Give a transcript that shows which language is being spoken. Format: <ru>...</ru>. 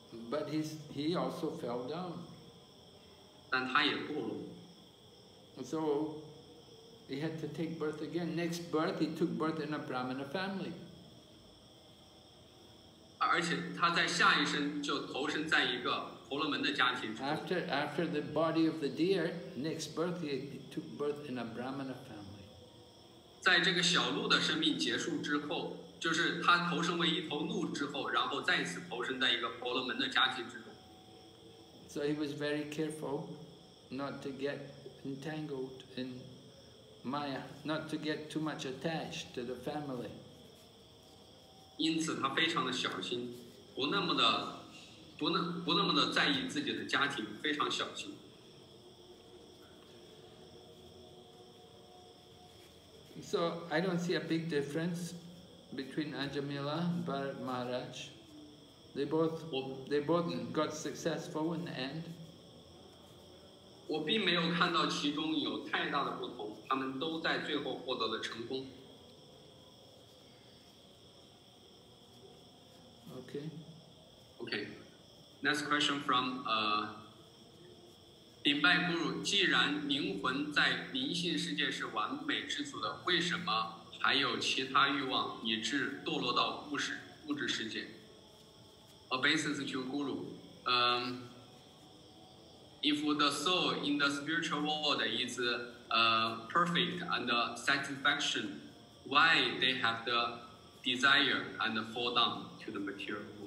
<en>But he also fell down.</en> <zh>但他也堕落。</zh> <en>So he had to take birth again. Next birth, he took birth in a Brahmana family.</en> <zh>而且他在下一生就投身在一个。</zh> <en>After the body of the deer, next birth he took birth in a Brahmana family.</en> <zh>在这个小鹿的生命结束之后，就是他投生为一头鹿之后，然后再次投生在一个婆罗门的家庭之中。</zh> <en>So he was very careful not to get entangled in Maya, not to get too much attached to the family.</en> <zh>因此他非常的小心，不那么的。不那么的在意自己的家庭，非常小心。</zh> <en>So I don't see a big difference between Ajāmila and Bharat Maharaj. They both got successful in the end.</en> <zh>我并没有看到其中有太大的不同，他们都在最后获得了成功。</zh> <en>Okay. Okay. Next question from Dimbai Guru.</en> <zh>既然灵魂在灵性世界是完美之主的，为什么还有其他欲望以致堕落到物质世界？</zh> <en>Obeisance to Guru. If the soul in the spiritual world is perfect and satisfaction, why they have the desire and fall down to the material?</en>